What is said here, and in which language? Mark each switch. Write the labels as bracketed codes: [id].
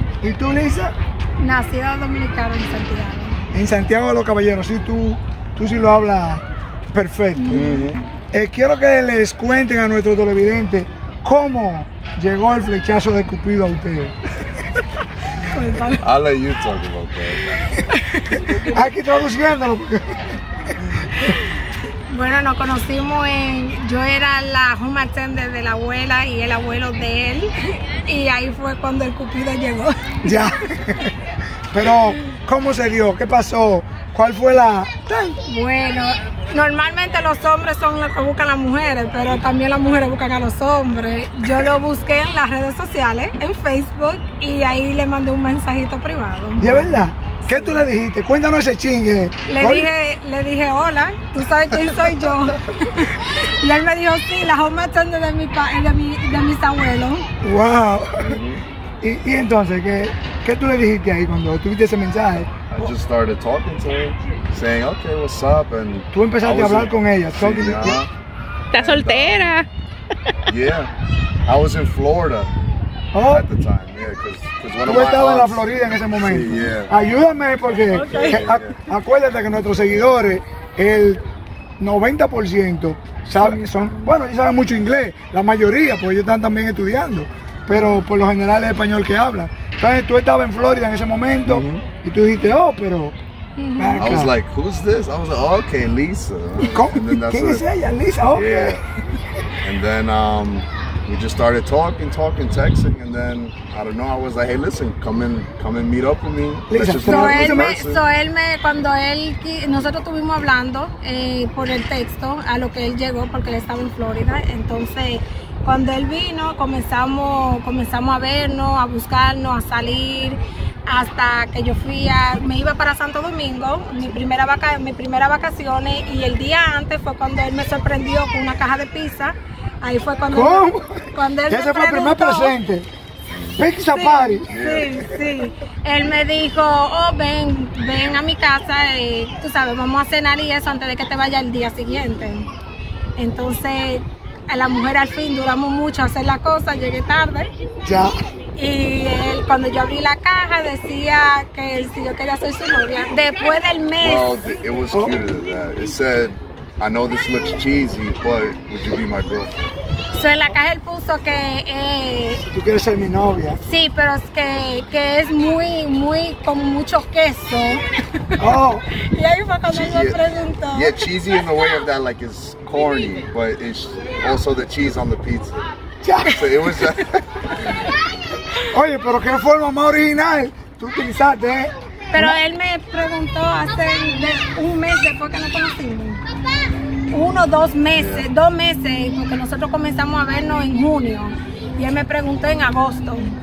[es] ¿Y tú, Lisa? Nacida dominicana en Santiago. En Santiago de los Caballeros, sí, tú sí lo hablas perfecto. Uh-huh. Quiero que les cuenten a nuestro televidente cómo llegó el flechazo de Cupido a ustedes. [en] I'll let you talk about that. [es] Aquí traduciéndolo. Bueno, Bueno, nos conocimos en... Yo era la home attendant de la abuela y el abuelo de él. Y ahí fue cuando el cupido llegó. Ya. Pero, ¿cómo se dio? ¿Qué pasó? ¿Cuál fue la...? Bueno, normalmente los hombres son los que buscan a las mujeres, pero también las mujeres buscan a los hombres. Yo lo busqué en las redes sociales, en Facebook, y ahí le mandé un mensajito privado. ¿Y es verdad? ¿Qué tú le dijiste? Cuéntanos ese chingue. Le dije, hola, ¿tú sabes quién soy yo? Y él me dijo, sí, la home attendant de mis abuelos. ¡Wow! Y entonces, ¿qué tú le dijiste ahí cuando tuviste ese mensaje? [en] I just started talking to her, saying, okay, what's up? And [es] tú empezaste a hablar con ella. Sí, ¿estás soltera? [en] Yeah. I was in Florida. Oh. At the time, yeah, because when I [es] estaba en la Florida en ese momento. Sí, yeah. Ayúdame porque acuérdate que nuestros seguidores, el 90% saben, son, bueno, ellos saben mucho inglés, la mayoría, porque ellos están también estudiando, pero por lo general es español que hablan. Entonces tú estabas en Florida en ese momento, mm-hmm. y tú dijiste, oh, pero... [en] Mm-hmm. I was like, who's this? I was like, oh, okay, Lisa. [es] ¿Quién es ella? Lisa, okay. [en] Yeah. And then we just started talking, texting, and then, I don't know, I was like, hey, listen, come and meet up with me. [es] Lisa, so él me, cuando él, nosotros estuvimos hablando por el texto, a lo que él llegó, porque él estaba en Florida, entonces... Cuando él vino, comenzamos a vernos, a buscarnos, a salir, hasta que me iba para Santo Domingo, mis primeras vacaciones, y el día antes fue cuando él me sorprendió con una caja de pizza. Ahí fue cuando... ¿Cómo? Ese fue el primer presente. Pizza sí, party. Sí, sí. Él me dijo, oh, ven a mi casa, y, tú sabes, vamos a cenar y eso antes de que te vaya el día siguiente. Entonces... A la mujer al fin duramos mucho hacer la cosa, llegué tarde. Ya. Y él, cuando yo abrí la caja, decía que si yo quería ser su novia. Después del mes. [en] Well, it was cute than that. It said, I know this looks cheesy, but would you be my girlfriend? [es] So en la caja él puso que... tú quieres ser mi novia. Sí, pero es que es muy, muy, con mucho queso. Oh. Y ahí fue cuando él me preguntó. [en] Yeah, cheesy in the way of that, like it's corny, but it's also the cheese on the pizza. Yeah. So it was... [es] Oye, pero qué forma más original tú utilizaste, ¿eh? Pero no. Él me preguntó hace un mes después que nos conocimos. Uno, dos meses, porque nosotros comenzamos a vernos en junio. Y él me preguntó en agosto.